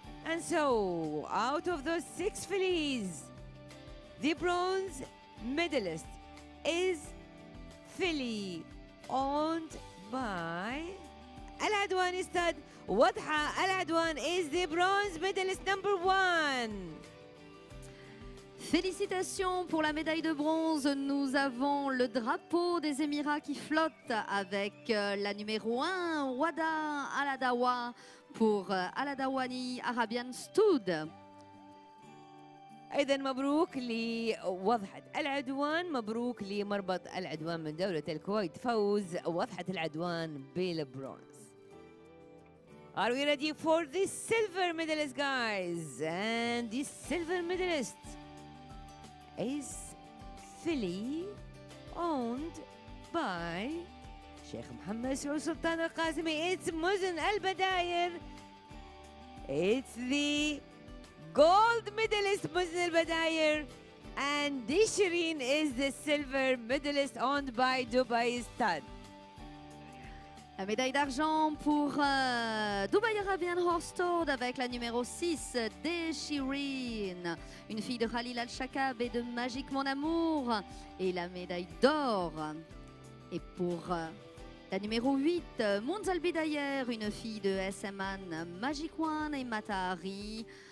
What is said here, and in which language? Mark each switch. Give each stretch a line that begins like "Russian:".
English: And so, out of those six fillies, the bronze medalist is filly owned by Al Adwan Stud. Wadha Al Adwan is the bronze medalist number one.
French: Félicitations pour la médaille de bronze. Nous avons le drapeau des Émirats qui flotte avec la numéro 1, Wada Al Adwan. Pour Al Adwani Arabian Stud.
Arabic: أيضا مبروك لوضحت العدوان، مبروك لمربط العدوان من دولة الكويت، فوز وضحت العدوان بالبرونز.
English: Are we ready for the silver medalist, guys? And the silver medalist is filly owned by شيخ محمد سعود سلطان القاسمي. It's مزن البداير. It's the gold medalist, Muzin al-Badayr, And Deshireen is the silver medalist owned by Dubai Stud.
French: La médaille d'argent pour Dubai Arabian Horse Stud avec la numéro 6, Deshireen, une fille de Khalil Al-Shakab et de Magic Mon Amour. Et la médaille d'or est pour la numéro 8, Mounz Al-Bidayer, une fille de SMAN Magic One et Matahari.